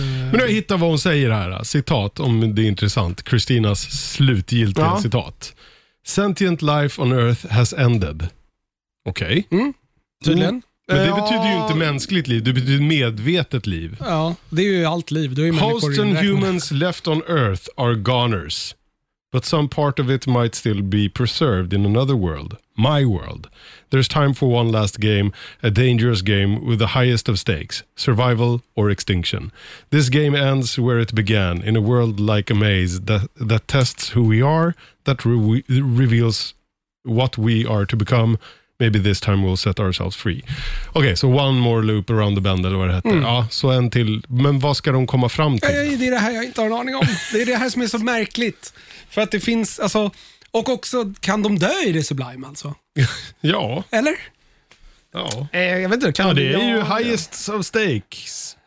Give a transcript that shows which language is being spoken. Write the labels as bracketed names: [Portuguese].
[Swedish] Men nu hittar vad hon säger här. Citat, om det är intressant. Kristinas slutgiltiga citat. [English] Sentient life on earth has ended. [Swedish] Okej. Okay. Tydligen. Men det betyder ju inte mänskligt liv, det betyder medvetet liv. Ja, det är ju allt liv. Du är ju [English] hosts and humans left on earth are goners. But some part of it might still be preserved in another world. My world. There's time for one last game, a dangerous game with the highest of stakes, survival or extinction. This game ends where it began, in a world like a maze that tests who we are, that reveals what we are to become. Maybe this time we'll set ourselves free. [Swedish] Okej, [English] okay, so one more loop around the bend, [Swedish] eller vad det heter. Mm. Ja, så en till. Men vad ska de komma fram till? Nej, det är det här jag inte har en aning om. Det är det här som är så märkligt. För att det finns, alltså... Och också, kan de dö i det sublime, alltså? Ja. Eller? Ja. Jag vet inte, kan det är ju [English] highest of stakes.